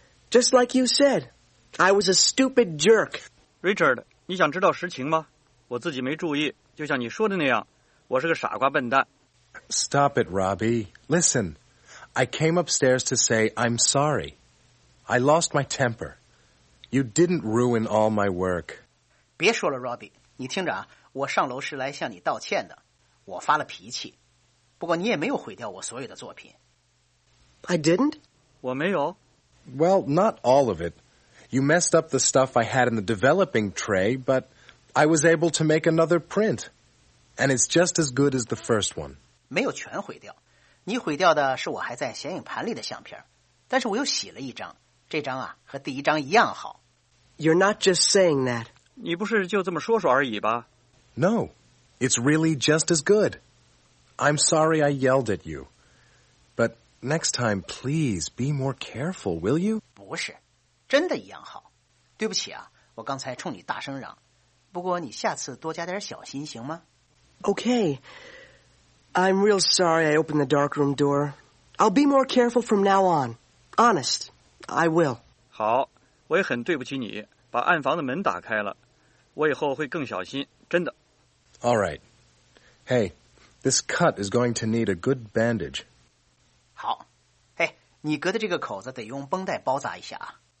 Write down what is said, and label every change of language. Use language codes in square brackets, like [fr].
[en] Just like you said, I was a stupid jerk. [zh] Richard, 你想知道实情吗？我自己没注意，就像你说的那样，我是个傻瓜笨蛋。 [en] Stop it, Robbie. Listen, I came upstairs to say I'm sorry. I lost my temper. You didn't ruin all my work. [zh] 别说了 ,Robbie. 你听着啊，我上楼是来向你道歉的。我发了脾气。不过你也没有毁掉我所有的作品。 [en] I didn't? [zh] 我没有。 [en] Well, not all of it. You messed up the stuff I had in the developing tray, but I was able to make another print. And it's just as good as the first one. [zh] 没有全毁掉。你毁掉的是我还在显影盘里的相片。但是我又洗了一张。这张啊，和第一张一样好。 [en] You're not just saying that. [zh] 你不是就这么说说而已吧？ [en] No, it's really just as good. I'm sorry I yelled at you. But next time, please be more careful, will you? [zh] 不是，真的一样好。对不起啊，我刚才冲你大声嚷。不过你下次多加点小心行吗？ [en] Okay. I'm real sorry I opened the darkroom door. I'll be more careful from now on. Honest, I will. [zh] 好，我也很对不起你，把暗房的门打开了。我以后会更小心，真的。 [en] All right. Hey. This cut is going to need a good bandage. [zh] 好，哎，你割的这个口子得用绷带包扎一下啊。